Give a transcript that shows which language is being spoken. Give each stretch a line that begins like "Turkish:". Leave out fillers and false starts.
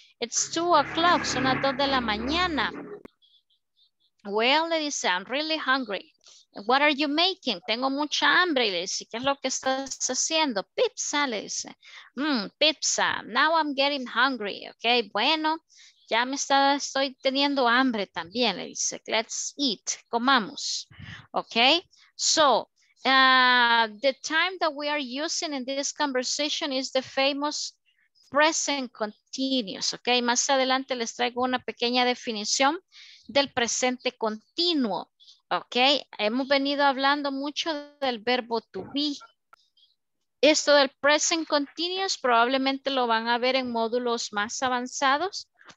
English: It's 2 o'clock,
Spanish: son las 2 de la mañana.
English: Well,
Spanish: le dice,
English: I'm really hungry. What are you making?
Spanish: Tengo mucha hambre. Y le dice, ¿qué es lo que estás haciendo? Pizza, le dice. Pizza.
English: Now I'm getting hungry.
Spanish: Ok, bueno, ya me está, estoy teniendo hambre también. Le dice,
English: let's eat.
Spanish: Comamos.
English: Ok, so the time that we are using in this conversation is the famous present continuous.
Spanish: Ok, más adelante les traigo una pequeña definición del presente continuo. Ok, hemos venido hablando mucho del verbo to be. Esto del present continuous probablemente lo van a ver en módulos más avanzados.